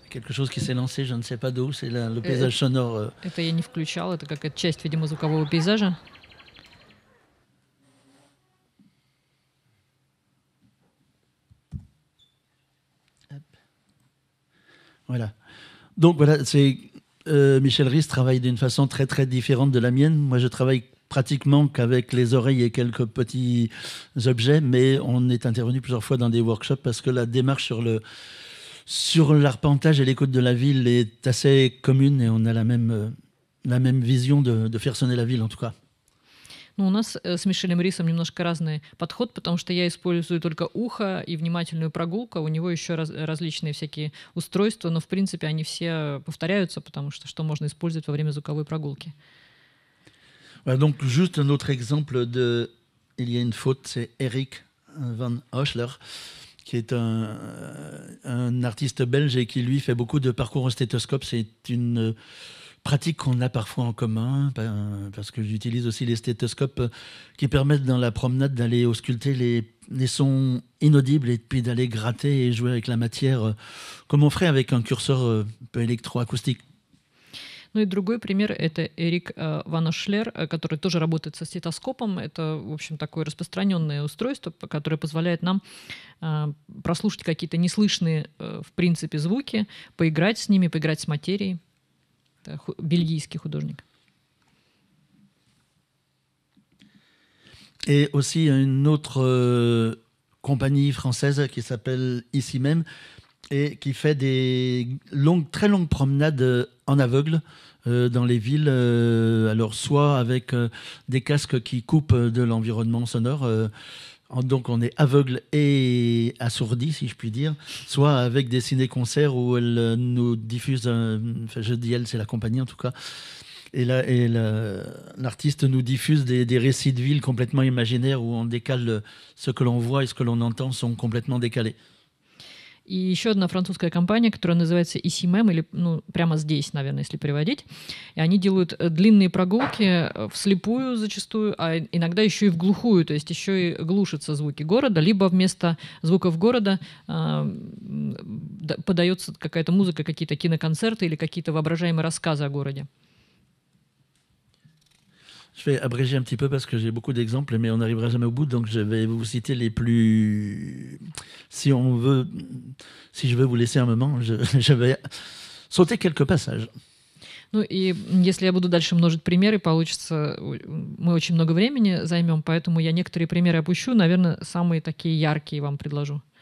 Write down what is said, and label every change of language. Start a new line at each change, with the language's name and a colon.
French: chose qui s'est lancée, je ne sais pas d'où, c'est le paysage sonore.
Russian: Это я не включал, это как часть, видимо, звукового пейзажа.
French: Voilà. Donc voilà, c'est Michel Ries travaille d'une façon très très différente de la mienne. Moi, je travaille pratiquement qu'avec les oreilles et quelques petits objets, mais on est intervenu plusieurs fois dans des workshops parce que la démarche sur l'arpentage et l'écoute de la ville est assez commune et on a la même vision de faire sonner la ville en tout cas.
Russian: Ну, у нас с Мишелем Рисом немножко разный подход, потому что я использую только ухо и внимательную прогулку, у него еще различные всякие устройства, но в принципе они все повторяются, потому что можно использовать во время звуковой прогулки.
French: Voilà, donc juste un autre exemple de il y a une faute, c'est Eric Van Oschler, qui est un artiste belge et qui, lui, fait beaucoup de parcours en stéthoscope. C'est une pratique qu'on a parfois en commun, parce que j'utilise aussi les stéthoscopes qui permettent, dans la promenade, d'aller ausculter les sons inaudibles et puis d'aller gratter et jouer avec la matière, comme on ferait avec un curseur un peu électroacoustique.
Russian: Ну и другой пример – это Эрик Ван Ашлер, который тоже работает со стетоскопом. Это, в общем, такое распространенное устройство, которое позволяет нам прослушать какие-то неслышные, в принципе, звуки, поиграть с ними, поиграть с материей. Это бельгийский художник.
French: Et aussi une autre compagnie française qui s'appelle Ici Même et qui fait des longues, très longues promenades en aveugle dans les villes, alors soit avec des casques qui coupent de l'environnement sonore, donc on est aveugle et assourdi, si je puis dire, soit avec des ciné-concerts où elle nous diffuse, je dis elle, c'est la compagnie en tout cas, Et l'artiste nous diffuse des récits de ville complètement imaginaires où on décale ce que l'on voit et ce que l'on entend sont complètement décalés.
Russian: И еще одна французская компания, которая называется Ici Même, или ну, прямо здесь, наверное, если переводить. И они делают длинные прогулки вслепую зачастую, а иногда еще и вглухую, то есть еще и глушатся звуки города, либо вместо звуков города подается какая-то музыка, какие-то киноконцерты или какие-то воображаемые рассказы о городе.
French: Je vais abréger un petit peu parce que j'ai beaucoup d'exemples, mais on n'arrivera jamais au bout. Donc, je vais vous citer les plus. Si on veut. Si je veux vous laisser un moment, je vais sauter quelques passages.
Russian: Ну и если я буду дальше множить примеры, получится, мы очень много времени займем, поэтому я некоторые примеры опущу, наверное, самые такие яркие вам предложу.